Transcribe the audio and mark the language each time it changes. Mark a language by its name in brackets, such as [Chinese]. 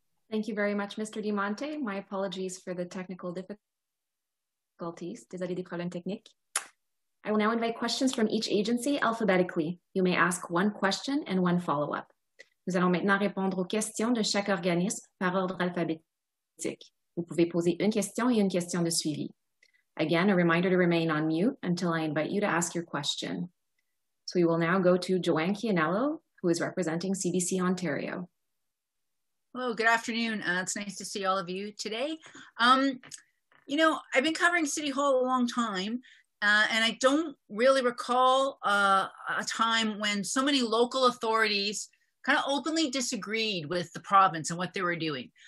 [English] Thank you very much, Mr. DiMonte. My apologies for the technical difficulties. difficulties. [French] Désolé des problèmes techniques. [English] I will now invite questions from each agency alphabetically. You may ask one question and one follow-up. [French] Nous allons maintenant répondre aux questions de chaque organisme par ordre alphabétique. Vous pouvez poser une question et une question de suivi. [English] Again, a reminder to remain on mute until I invite you to ask your question. So we will now go to Joanne Chianello, who is representing CBC Ontario. Hello, good afternoon. It's nice to see all of you today. You know, I've been covering City Hall a long time, and I don't really recall a time when so many local authorities kind of openly disagreed with the province and what they were doing.